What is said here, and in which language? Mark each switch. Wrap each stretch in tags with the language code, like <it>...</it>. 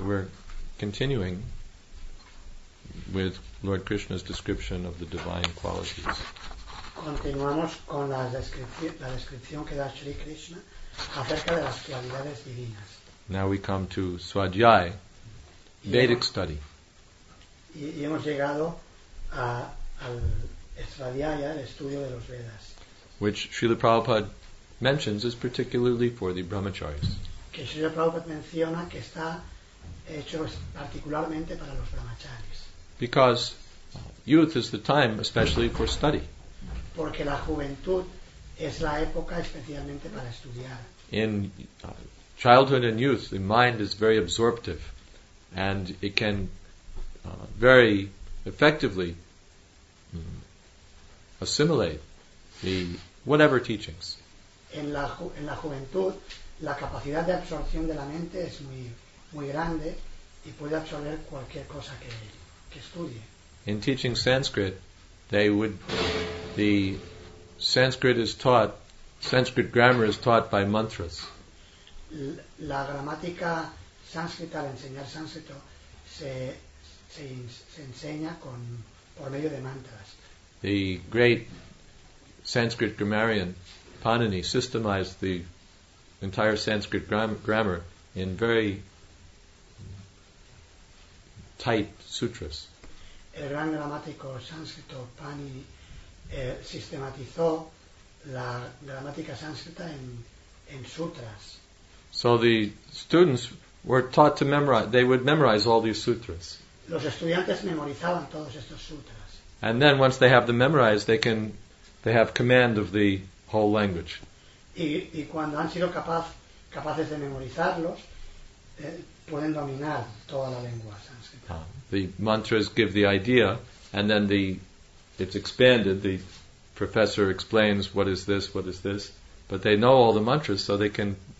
<en>We're continuing with Lord Krishna's description of the divine qualities.</en> <es>Continuamos con la descripción que da Sri Krishna acerca de las cualidades divinas.</es> <en>Now we come to Svadhyay, Vedic study.</en> <es>Y hemos llegado al Svadhyaya, el estudio de los Vedas.</es> <en>Which Srila Prabhupada mentions is particularly for the brahmacharis.</en> <es>Que Srila Prabhupada menciona que está hecho particularmente para los brahmacharis.</es> <en>Because youth is the time especially for study.</en> <es>Porque la juventud es la época especialmente para estudiar.</es> <en>In childhood and youth, the mind is very absorptive and it can very effectively assimilate the whatever teachings.</en> <es>En la juventud, la capacidad de absorción de la mente es muy, muy grande y puede absorber cualquier cosa que estudie.</es> <en>In teaching Sanskrit, the Sanskrit is taught, Sanskrit grammar is taught by mantras.</en> <es>La gramática sánscrita al enseñar sánscrito se enseña por medio de mantras.</es> <en>The great Sanskrit grammarian Panini systemized the entire Sanskrit grammar in very tight sutras.</en> <es>El gran gramático sánscrito Panini sistematizó la gramática sánscrita en sutras.</es> <en>So the students were taught to memorize, they would memorize all these sutras.</en> <es>Los estudiantes memorizaban todos estos sutras.</es> <en>And then once they have them memorized, they have command of the whole language.</en> <es>Y cuando han sido capaces de memorizarlos, pueden dominar toda la lengua sánscrita.</es> <en>The mantras give the idea, and then it's expanded, the professor explains what is this, but they know all the mantras, so they can.</en>